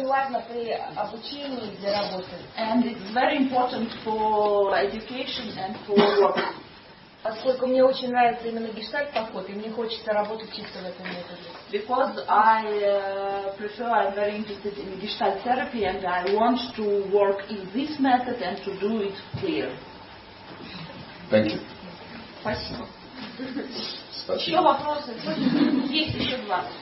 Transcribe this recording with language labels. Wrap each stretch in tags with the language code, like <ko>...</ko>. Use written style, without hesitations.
<en>And it's very important for education and for work.</en> <ru>Поскольку мне очень нравится именно гештальт подход, и мне хочется работать чисто в этом методе.</ru> <en>Because I prefer, I'm very interested in gestalt therapy, and I want to work in this method and to do it clear. Thank you.</en> <ru>Спасибо. Еще вопросы? Есть еще два.</ru>